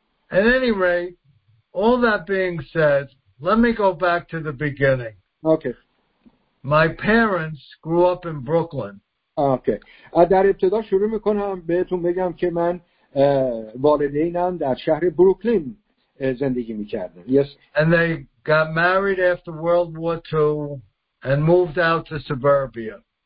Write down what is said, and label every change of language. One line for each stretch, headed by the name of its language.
English: at any rate All that being said, let me go back to the beginning. Okay. My parents grew up in Brooklyn. Okay.
Persian: در ابتدا شروع میکنم بهتون بگم که من والدینم در شهر بروکلین زندگی میکردم.
English: Yes. And they got married after World War II and moved out to suburbia.